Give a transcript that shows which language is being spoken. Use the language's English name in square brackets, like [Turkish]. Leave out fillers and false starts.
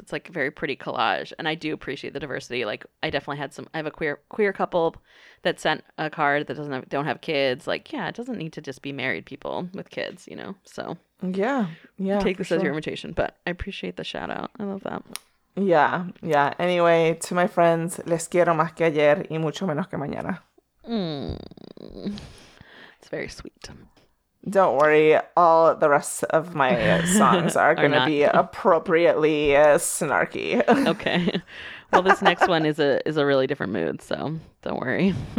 [English] It's like a very pretty collage, and I do appreciate the diversity. Like, I definitely had some, I have a queer couple that sent a card that don't have kids. Like, yeah, it doesn't need to just be married people with kids, you know, so yeah take this as your invitation, but I appreciate the shout out. I love that. Yeah. Anyway, to my friends, [Spanish] les quiero más que ayer y mucho menos que mañana. [English] It's very sweet. Don't worry, all the rest of my songs are going to be appropriately snarky. Okay. Well, this next one is a really different mood, so don't worry.